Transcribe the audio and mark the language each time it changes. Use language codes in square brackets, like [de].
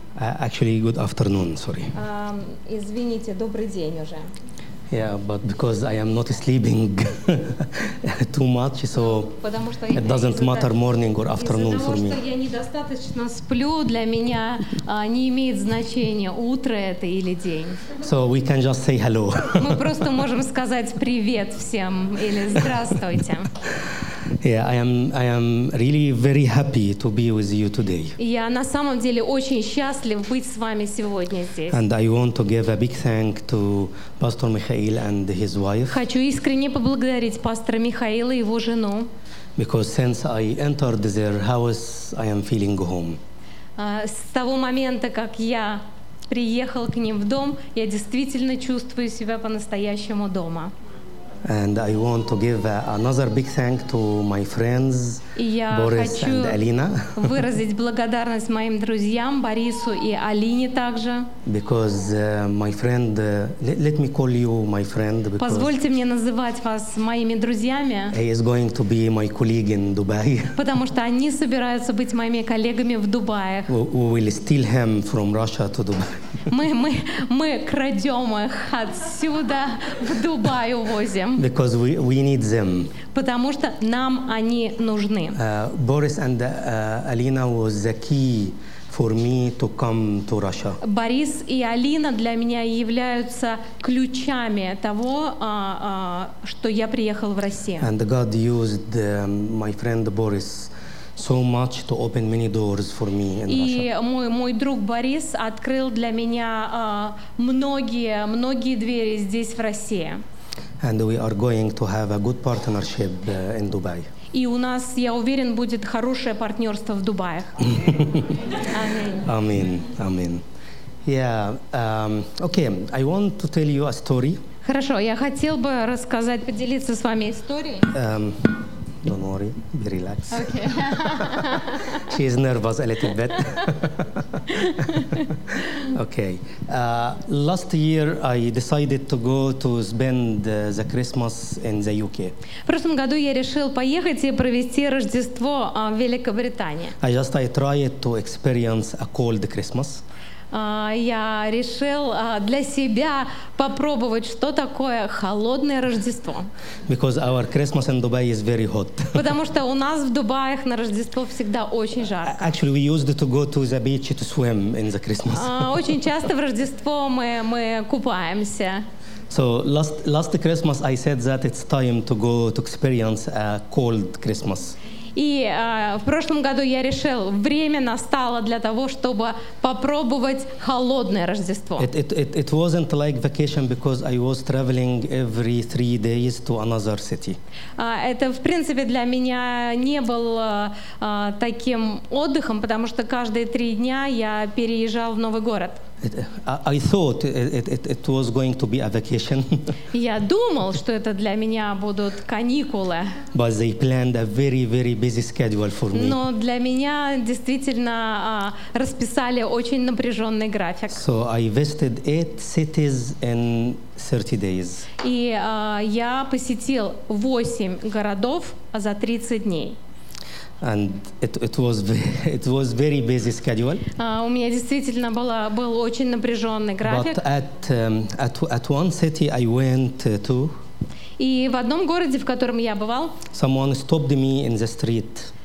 [en] Actually, good afternoon, sorry. [ru] Извините, добрый день уже. [en] Yeah, but because I am not sleeping too much, so it doesn't matter morning or afternoon for me. [ru] Из-за того, что я недостаточно сплю, для меня не имеет значения, утро это или день. [en] So we can just say hello. [ru] Мы просто можем сказать привет всем или здравствуйте. [en] Yeah, I am really very happy to be with you today. [ru] Я на самом деле очень счастлив быть с вами сегодня здесь. [en] And I want to give a big thank to Pastor Mikhail and his wife. [ru] Хочу искренне поблагодарить пастора Михаила и его жену. [en] Because since I entered their house, I am feeling home. [ru] С того момента, как я приехал к ним в дом, я действительно чувствую себя по-настоящему дома. [en] And I want to give another big thank to my friends, Boris and Alina. [ru] Выразить благодарность моим друзьям Борису и Алине также. [en] Because my friend, let me call you my friend. [ru] Позвольте мне называть вас моими друзьями. [en] He is going to be my colleague in Dubai. [ru] Потому что они собираются быть моими коллегами в Дубае. [en] We will steal him from Russia to Dubai. [ru] Мы крадем их отсюда в Дубай увозим. [en] Because we need them. [ru] Потому что нам они нужны. [en] Boris and Alina was the key for me to come to Russia. [ru] Борис и Алина для меня являются ключами того, что я приехал в Россию. [en] And God used my friend Boris so much to open many doors for me in Russia. [ru] И мой друг Борис открыл для меня многие двери здесь в России. [en] And we are going to have a good partnership in Dubai. [ru] И у нас, я уверен, будет хорошее партнерство в Дубае. [en] Amen. Amen. Yeah. Okay. I want to tell you a story. [ru] Хорошо. Я хотел бы рассказать, поделиться с вами историей. [en] Don't worry. Be relaxed. Okay. She is nervous a little bit. Okay. Last year I decided to go to spend the Christmas in the UK. [ru] В прошлом году я решил поехать и провести Рождество в Великобритании. [en] I tried to experience a cold Christmas. [ru] Я решил для себя попробовать, что такое холодное Рождество. [en] Because our Christmas in Dubai is very hot. [ru] Потому что у нас в Дубае на Рождество всегда очень жарко. [en] Actually, we used to go to the beach to swim in the Christmas. [ru] Очень часто в Рождество мы купаемся. [en] So last Christmas I said that it's time to go to experience a cold Christmas. [ru] И в прошлом году я решил, время настало для того, чтобы попробовать холодное Рождество. [en] It wasn't like vacation because I was traveling every 3 days to another city. [ru] Это, в принципе, для меня не было таким отдыхом, потому что каждые 3 дня я переезжал в новый город. [en] I thought it was going to be a vacation. [ru] Я думал, что это для меня будут каникулы. [en] But they planned a very, very busy schedule for me. [ru] Но для меня действительно расписали очень напряженный график. [en] So I visited 8 cities in 30 days. [ru] И я посетил 8 городов за 30 дней. [en] And it was very busy schedule. [ru] У меня действительно был очень напряженный график. [en] But at one city I went to. [ru] И в одном городе, в котором я бывал. [en] Someone stopped me in the street.